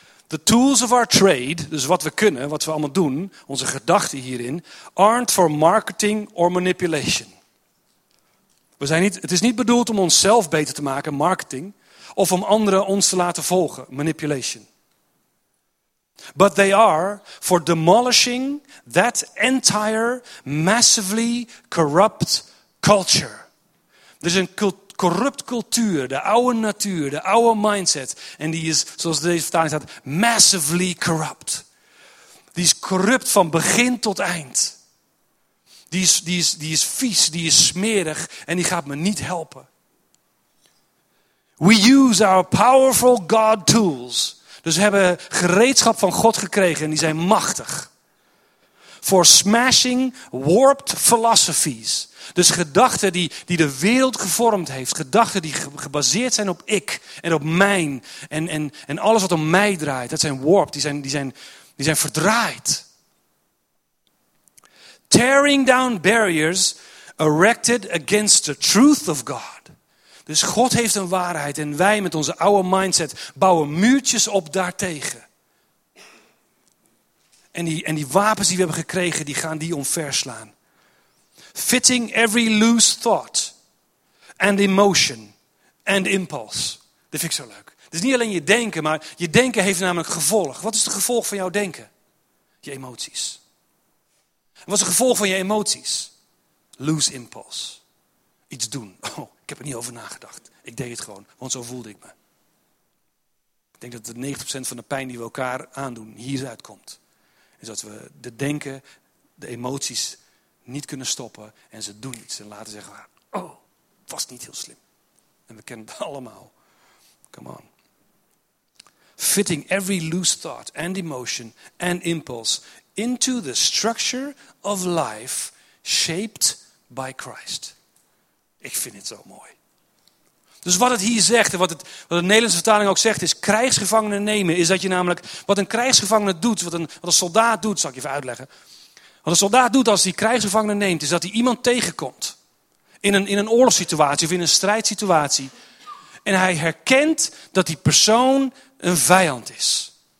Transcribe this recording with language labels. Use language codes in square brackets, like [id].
[en] The tools of our trade, [nl] dus wat we kunnen, wat we allemaal doen, onze gedachten hierin, [en] aren't for marketing or manipulation. [nl] Het is niet bedoeld om onszelf beter te maken, marketing, of om anderen ons te laten volgen, manipulation. [en] But they are for demolishing that entire massively corrupt culture. [nl] Er is een corrupt cultuur, de oude natuur, de oude mindset. En die is, zoals deze vertaling staat, massively corrupt. Die is corrupt van begin tot eind. Die is vies, die is smerig en die gaat me niet helpen. [en] We use our powerful God tools. [nl] Dus we hebben gereedschap van God gekregen en die zijn machtig. [en] For smashing warped philosophies. [nl] Dus gedachten die de wereld gevormd heeft. Gedachten die gebaseerd zijn op ik en op mijn. En alles wat om mij draait. Dat zijn warped, die zijn verdraaid. [en] Tearing down barriers erected against the truth of God. [nl] Dus God heeft een waarheid en wij met onze oude mindset bouwen muurtjes op daartegen. En die wapens die we hebben gekregen, die gaan die omverslaan. [en] Fitting every loose thought and emotion and impulse. [nl] Dat vind ik zo leuk. Het is niet alleen je denken, maar je denken heeft namelijk gevolg. Wat is het gevolg van jouw denken? Je emoties. Wat is het gevolg van je emoties? Loose impulse. Iets doen. Oh, ik heb er niet over nagedacht. Ik deed het gewoon, want zo voelde ik me. Ik denk dat de 90% van de pijn die we elkaar aandoen hieruit komt. Is dat we de denken, de emoties niet kunnen stoppen en ze doen iets. En laten zeggen, oh, was niet heel slim. En we kennen het allemaal. [en] Come on. Fitting every loose thought and emotion and impulse into the structure of life shaped by Christ. [nl] Ik vind het zo mooi. Dus wat het hier zegt en wat de Nederlandse vertaling ook zegt is krijgsgevangenen nemen. Is dat je namelijk, wat een krijgsgevangene doet, wat een soldaat doet, zal ik je even uitleggen. Wat een soldaat doet als hij krijgsgevangene neemt, is dat hij iemand tegenkomt. In een oorlogssituatie of in een strijdsituatie. En hij herkent dat die persoon een vijand is.